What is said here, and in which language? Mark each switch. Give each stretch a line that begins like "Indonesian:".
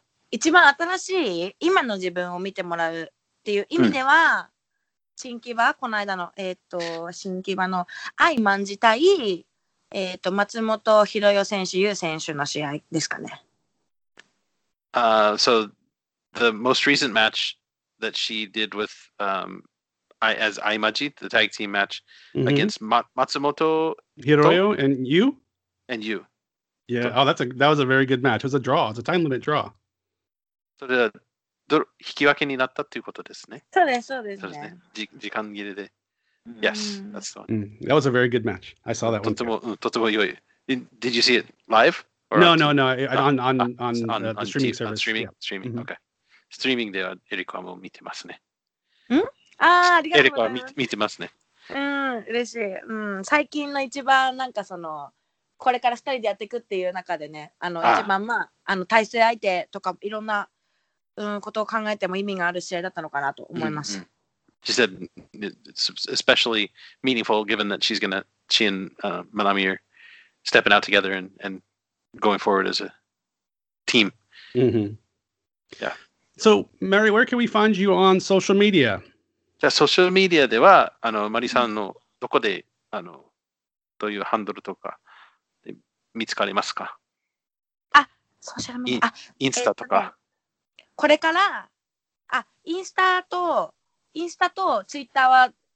Japanese: 一番新しい今の自分を見てもらうっていう意味では、新木場この間の新木場の愛まんじたい。松本博代選手、優選手の試合ですかね。
English: So the most recent match that she did with as Aimaji, the tag team match against Matsumoto Hiroyo and you? And you. Yeah, that was a very good match. It was a draw. It's a time limit draw.
Japanese: それは引き分けになったということですね。そうですね。時間切れで。
English: Yes, that's the one. That was a very good match. I saw that one. Did you see it live? No. On the streaming service. Streaming. Okay.
Japanese: Streaming ではエリコも見てますね。ありがとうございます。エリコは見てますね。嬉しい。最近の一番なんかそのこれから二人でやっていくっていう中でね、一番対戦相手とかいろんなことを考えても意味がある試合だったのかなと思います。
English: She said it's especially meaningful given that she and Manami are stepping out together and going forward as a team. Yeah. So, Mary, where can we find you on social media?
Japanese: じゃあ、ソーシャルメディアでは、マリさんのどこで、どういうハンドルとか見つかりますか？あ、ソーシャルメディア。インスタとか。これから、インスタとツイッターは